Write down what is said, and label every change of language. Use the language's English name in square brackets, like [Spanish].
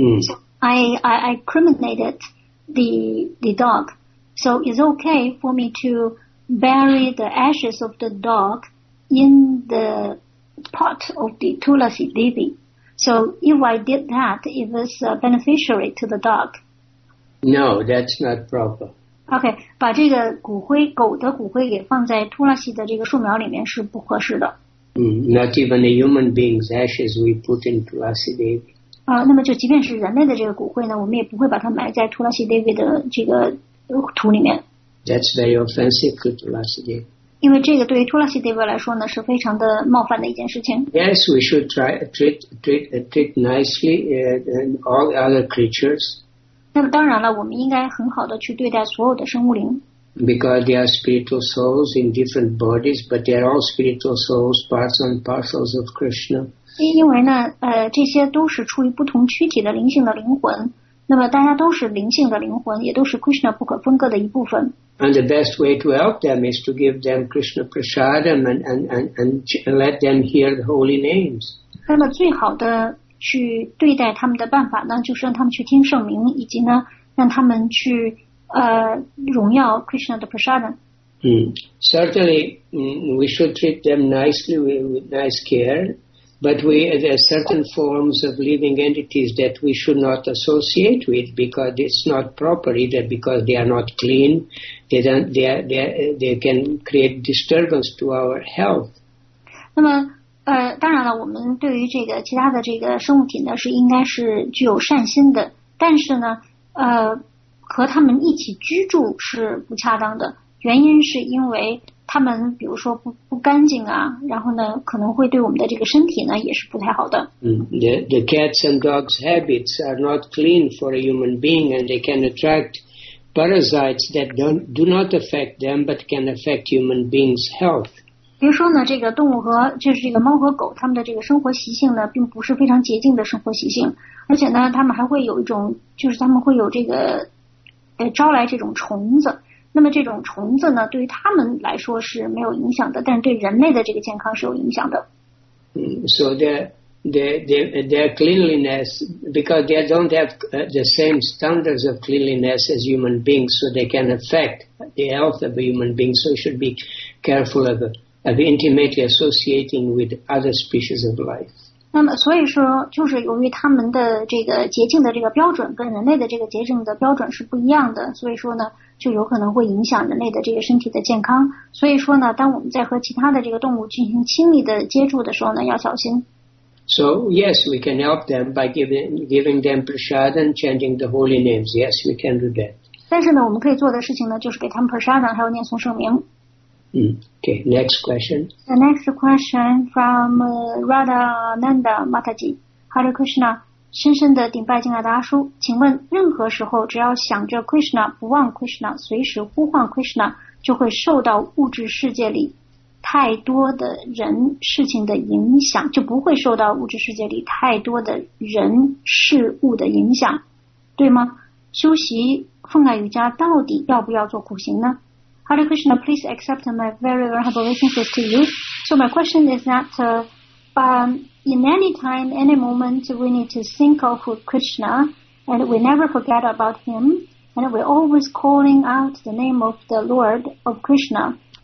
[English] So I cremated the dog. So it's okay for me to bury the ashes of the dog in the pot of the tulasi devi. So if I did that, it was beneficiary to the dog. No, that's not proper. [Chinese] OK, 把这个骨灰狗的骨灰给放在托拉西的这个树苗里面是不合适的。 [English] Not even a human being's ashes we put in Tulasi Devi. [Chinese] 那么就即便是人类的这个骨灰呢，我们也不会把它埋在托拉西 Devi 的这个土里面。 [English] That's very offensive to Tulasi Devi. [Chinese] 因为这个对于托拉西 Devi 来说呢，是非常的冒犯的一件事情。 [English] Yes, we should treat nicely and all other creatures. [Chinese] 那么当然了，我们应该很好的去对待所有的生物灵。 [English] Because they are spiritual souls in different bodies, but they are all spiritual souls, parts and parcels of Krishna. [Chinese] 因为呢，这些都是处于不同躯体的灵性的灵魂。那么大家都是灵性的灵魂，也都是 Krishna 不可分割的一部分。 [English] And the best way to help them is to give them Krishna prasadam and let them hear the holy names. [Chinese] 那么最好的。去对待他们的办法呢，就是让他们去听圣名，以及呢，让他们去荣耀 Krishna 的 prasadam。 [English] Certainly, we should treat them nicely with nice care, but there are certain forms of living entities that we should not associate with because it's not proper either because they are not clean, they can create disturbance to our health. [Chinese] 那么。当然了，我们对于这个其他的这个生物体呢，是应该是具有善心的。但是呢，和他们一起居住是不恰当的。原因是因为他们，比如说不干净啊，然后呢，可能会对我们的这个身体呢也是不太好的。 [English] The cats and dogs' habits are not clean for a human being, and they can attract parasites that do not affect them, but can affect human beings' health. [Chinese] 比如说呢，这个动物和就是这个猫和狗，它们的这个生活习性呢，并不是非常洁净的生活习性，而且呢，它们还会有一种，就是它们会有这个，招来这种虫子。那么这种虫子呢，对于它们来说是没有影响的，但是对人类的这个健康是有影响的。 [English] So their cleanliness, because they don't have the same standards of cleanliness as human beings, so they can affect the health of a human being. So should be careful of it. Of intimately associating with other species of life. [Chinese] 那么所以说，就是由于他们的这个洁净的这个标准跟人类的这个洁净的标准是不一样的，所以说呢，就有可能会影响人类的这个身体的健康。所以说呢，当我们在和其他的这个动物进行亲密的接触的时候呢，要小心。 [English] So yes, we can help them by giving them prasad and chanting the holy names. Yes, we can do that. [Chinese] 但是呢，我们可以做的事情呢，就是给他们 prasad 还有念诵圣名。 [English] Okay, next question. The next question from Radha Nanda Mataji. [Chinese] Hare Krishna, 深深的顶拜敬爱的阿叔，请问任何时候只要想着 Krishna, 不忘 Krishna, 随时呼唤 Krishna, 就会受到物质世界里太多的人事情的影响，就不会受到物质世界里太多的人事物的影响，对吗？修习奉纳瑜伽到底要不要做苦行呢？ [English] Hare Krishna, please accept my very honorable relationship to you. So my question is that in any time, any moment, we need to think of Krishna, and we never forget about him, and we're always calling out the name of the Lord of Krishna.